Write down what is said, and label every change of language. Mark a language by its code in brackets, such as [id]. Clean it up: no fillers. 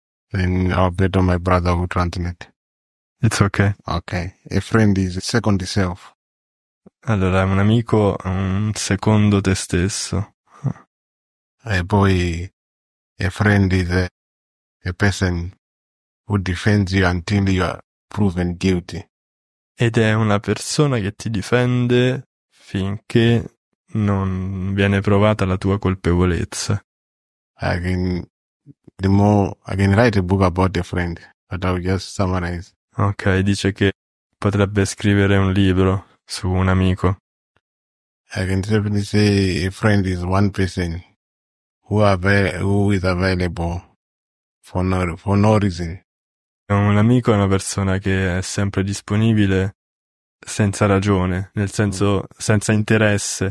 [en] Then I'll bet on my brother who translate. It's okay. Okay. A friend is a second self. [it] Allora, un amico è un secondo te stesso. E poi, [en] a friend is a person who defends you until you are proven guilty. [it] Ed è una persona che ti difende finché non viene provata la tua colpevolezza. [en] I can write a book about a friend, but I'll just summarize. [it] Ok, dice che potrebbe scrivere un libro su un amico. [en] I can definitely say a friend is one person who is available for no reason. [it] Un amico è una persona che è sempre disponibile senza ragione, nel senso senza interesse.